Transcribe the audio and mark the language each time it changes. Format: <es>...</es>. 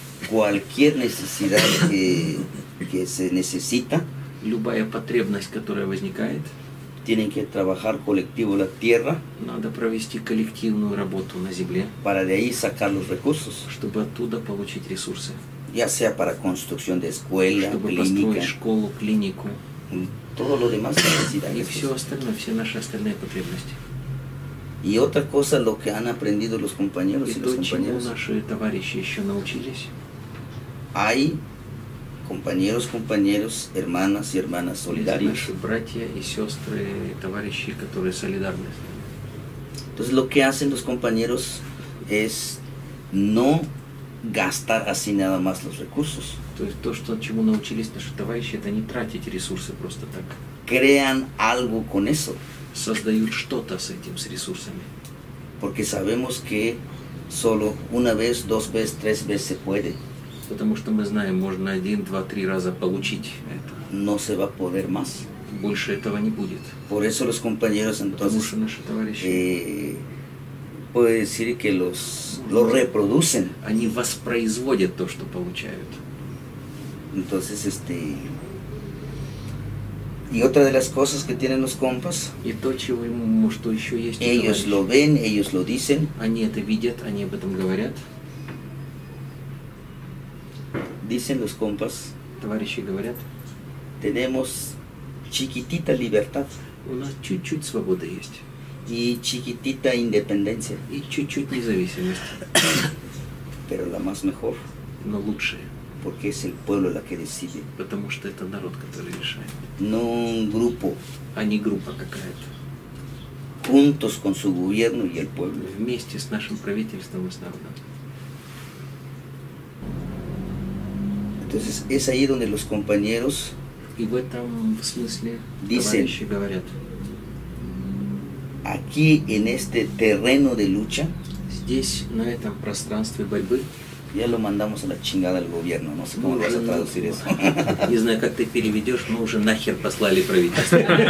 <es>cualquier necesidad que se necesita,</es> <ru>любая потребность, которая возникает,</ru> <es>tienen que trabajar colectivo la tierra,</es> <ru>надо провести коллективную работу на земле,</ru> <es>para de ahí sacar los recursos,</es> <ru>чтобы оттуда получить ресурсы,</ru> <es>ya sea para construcción de escuela,</es> <ru>чтобы</ru> <es>clínica,</es> <ru>построить школу, клинику,</ru> <es>todo lo demás que necesita,</es> <ru>y все остальное, все наши остальные потребности.</ru> <es>Y otra cosa, lo que han aprendido los compañeros y las compañeras.</es> <ru>Наши товарищи еще научились.</ru> <es>Hay compañeros, compañeras, hermanas y hermanas solidarias.</es> <ru>Наши братья и сестры, товарищи, которые солидарны.</ru> <es>Entonces, lo que hacen los compañeros es no gastar así nada más los recursos.</es> <ru>То есть, то, что, чему научились наши товарищи, это не тратить ресурсы просто так.</ru> <es>Crean algo con eso.</es> <ru>Создают что-то с этим, с ресурсами.</ru> <es>Porque sabemos que solo una vez, dos veces, tres veces se puede.</es> <ru>Потому что мы знаем, можно один, два, три раза получить это.</ru> <es>No se va a poder más.</es> <ru>Больше этого не будет.</ru> <es>Por eso los compañeros entonces,</es> <ru>потому что наши товарищи,</ru> <es>puede decir que los, ну, los reproducen.</es> <ru>Они воспроизводят то, что получают.</ru> <es>Entonces, y otra de las cosas que tienen los compas,</es> <ru>y то, чего ему, что еще есть,</ru> <es>ellos lo ven, ellos lo dicen.</es> <ru>Они это видят, они об этом говорят.</ru> <es>Dicen los compas,</es> <ru>товарищи говорят,</ru> <es>tenemos chiquitita libertad.</es> <ru>У нас чуть-чуть свобода есть.</ru> <es>Y chiquitita independencia.</es> <ru>И чуть-чуть независимость.</ru> <es>Pero la más mejor.</es> <ru>Но лучшая.</ru> <es>Porque es el pueblo la que decide.</es> <ru>Потому что это народ, который решает.</ru> <es>No un grupo.</es> <ru>А не группа какая-то.</ru> <es>Juntos con su gobierno y el pueblo.</es> <ru>Вместе с нашим правительством и с народом.</ru> <es>Entonces, es ahí donde los compañeros,</es> <ru>и в этом смысле,</ru> <es>dicen,</es> <ru>товарищи говорят,</ru> <es>aquí en este terreno de lucha,</es> <ru>здесь, на этом пространстве борьбы,</ru> <es>ya lo mandamos a la chingada al gobierno, no sé cómo lo vas a traducir eso.</es> <ru>Не знаю, как ты переведешь, мы уже нахер послали правительство.</ru>